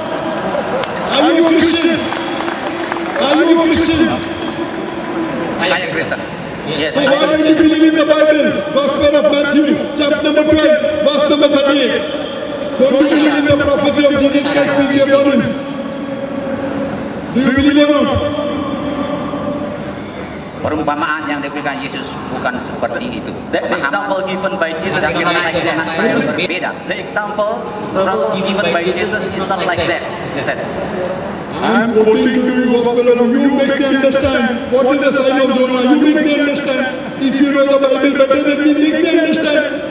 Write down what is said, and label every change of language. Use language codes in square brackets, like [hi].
[en] Are you a Christian? Are you a Christian? I am Christian. Yes. So why don't you believe in the Bible? Gospel of Matthew, chapter number 12, verse number 38. Don't you believe in the prophecy of Jesus Christ, peace be upon him? Do you believe or not? [id] Perumpamaan yang diberikan Yesus bukan seperti itu. [en] The example given by Jesus is not like that. [id] Berbeda. [en] The example given by Jesus is not like that. He said. I'm quoting to you, Gospel of Luke. You make me understand what is the sign of Jonah. You make me understand. If you know the Bible better than me, make me understand.